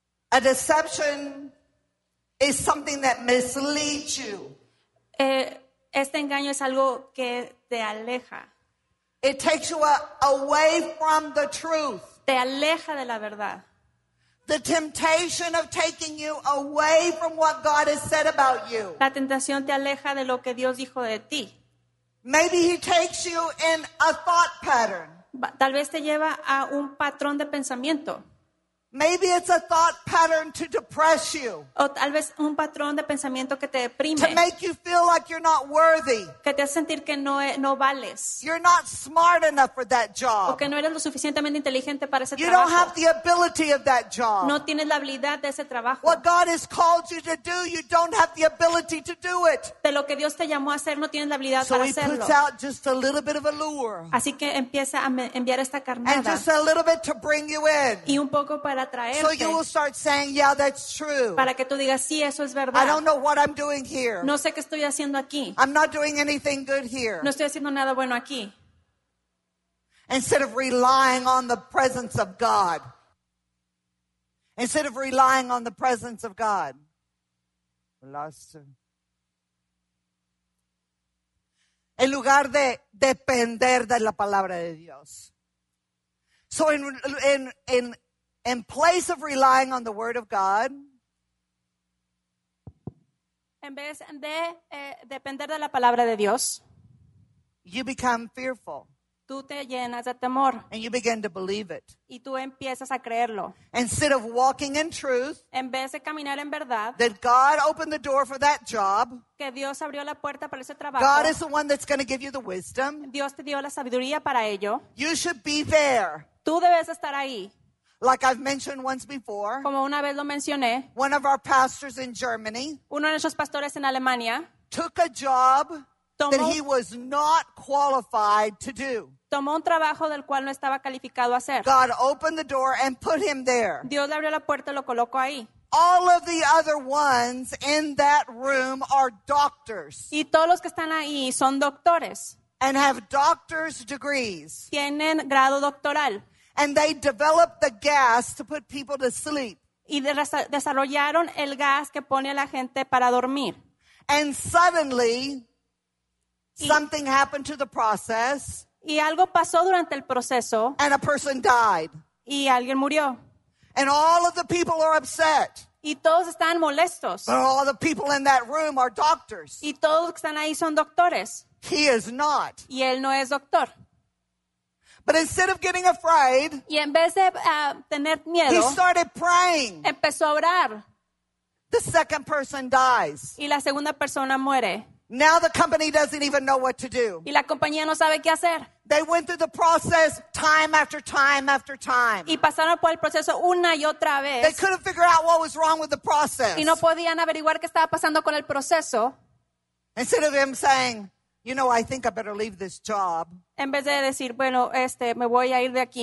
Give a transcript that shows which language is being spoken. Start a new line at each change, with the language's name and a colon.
English: A deception is something that misleads you.
Spanish: Este engaño es algo que te aleja.
English: It takes you away from the truth.
Spanish: Te aleja de la verdad.
English: The temptation of taking you away from what God has said about you.
Spanish: La tentación te aleja de lo que Dios dijo de ti.
English: Maybe he takes you in a thought pattern.
Spanish: Tal vez te lleva a un patrón de pensamiento.
English: Maybe it's a thought pattern to depress you.
Spanish: O tal vez un patrón de pensamiento que te deprime.
English: To make you feel like you're not worthy.
Spanish: Que te hace sentir que no vales.
English: You're not smart enough for that job.
Spanish: O que no eres lo suficientemente inteligente para ese trabajo.
English: You don't have the ability of that job.
Spanish: No tienes la habilidad de ese trabajo.
English: What God has called you to do, you don't have the ability to do it.
Spanish: De lo que Dios te llamó a hacer, no tienes la habilidad para hacerlo.
English: So he puts out just a little bit of a lure.
Spanish: Así que empieza a enviar esta carnada.
English: And just a little bit to bring you in.
Spanish: Y un poco para pueda traerte.
English: So you will start saying, yeah, that's true.
Spanish: Para que tú digas, sí, eso es verdad.
English: I don't know what I'm doing here.
Spanish: No sé qué estoy haciendo aquí.
English: I'm not doing anything good here.
Spanish: No estoy haciendo nada bueno aquí.
English: Instead of relying on the presence of God. Instead of relying on the presence of God.
Spanish: En lugar de depender de la palabra de Dios.
English: So in place of relying on the word of God.
Spanish: En vez de depender de la palabra de Dios.
English: You become fearful.
Spanish: Tú te llenas de temor.
English: And you begin to believe it.
Spanish: Y tú empiezas a creerlo.
English: Instead of walking in truth.
Spanish: En vez de caminar en verdad.
English: That God opened the door for that job.
Spanish: Que Dios abrió la puerta para ese trabajo.
English: God is the one that's going to give you the wisdom.
Spanish: Dios te dio la sabiduría para ello.
English: You should be there.
Spanish: Tú debes estar ahí.
English: Like I've mentioned once before.
Spanish: Como una vez lo mencioné.
English: One of our pastors in Germany.
Spanish: Uno de nuestros pastores en Alemania.
English: Took a job. That he was not qualified to do.
Spanish: Tomó un trabajo del cual no estaba calificado a hacer.
English: God opened the door and put him there.
Spanish: Dios le abrió la puerta y lo colocó ahí.
English: All of the other ones in that room are doctors.
Spanish: Y todos los que están ahí son doctores.
English: And have doctor's degrees.
Spanish: Tienen grado doctoral.
English: And they developed the gas to put people to sleep.
Spanish: Y desarrollaron el gas que pone a la gente para dormir.
English: And suddenly. Something happened to the process.
Spanish: Y algo pasó durante el proceso.
English: And a person died.
Spanish: Y alguien murió.
English: And all of the people are upset.
Spanish: Y todos están molestos.
English: But all the people in that room are doctors.
Spanish: Y todos que están ahí son doctores.
English: He is not.
Spanish: Y él no es doctor.
English: But instead of getting afraid.
Spanish: Y en vez de tener miedo.
English: He started praying.
Spanish: Empezó a orar.
English: The second person dies.
Spanish: Y la segunda persona muere.
English: Now the company doesn't even know what to do.
Spanish: Y la compañía no sabe qué hacer.
English: They went through the process time after time after time.
Spanish: Y pasaron por el proceso una y otra vez.
English: They couldn't figure out what was wrong with the process.
Spanish: Y no podían averiguar qué estaba pasando con el proceso.
English: Instead of them saying, you know, I think I better leave this job.
Spanish: En vez de decir, bueno, me voy a ir de aquí.